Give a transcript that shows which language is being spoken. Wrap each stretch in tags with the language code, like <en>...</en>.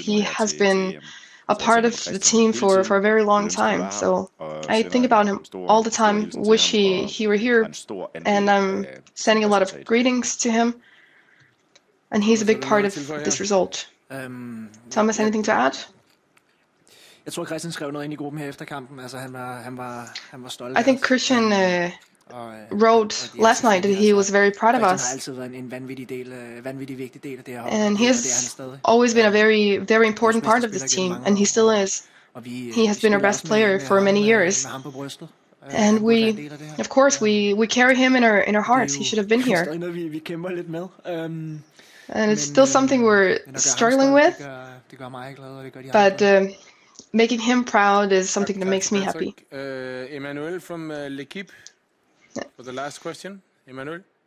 <en>He has been a part of the team for a very long time. So I think about him all the time, wish he were here. And I'm sending a lot of greetings to him. And he's a big part of this result. Thomas, anything to add?</en> <da>Jeg tror Christian skrev noget ind i gruppen her efter kampen. Altså han var stolt.</da> <en>I think Christian wrote last night that he was very proud of us.</en> <da>Christian har altid været en vanvittig vigtig del af det her.</da> <en>And he has always been a very very important part of this team, and he still is. He has been our best player for many years. And we, of course, we carry him in our hearts. He should have been here.</en> <da>Det er noget vi kæmper lidt med.</da> <en>And it's still something we're struggling with.</en> <da>Det gør mig glad, og det gør de.</da> <en>But making him proud is something that makes me happy. Emmanuel from L'Equipe for the last question. Emmanuel?</en>